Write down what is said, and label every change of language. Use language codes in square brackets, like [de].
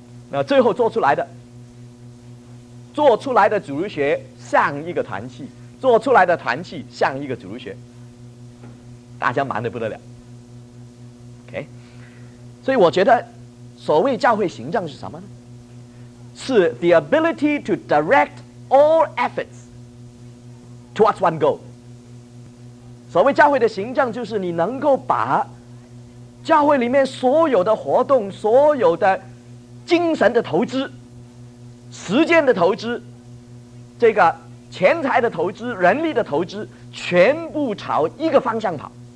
[zh] 那最后做出来的主日学像一个团契，做出来的团契像一个主日学，大家忙得不得了。所以我觉得所谓教会行政是什么呢？是 [en] the ability to direct all efforts towards one goal。 [zh] 所谓教会的行政，就是你能够把教会里面所有的活动，所有的精神的投资，时间的投资，这个钱财的投资，人力的投资，全部朝一个方向跑。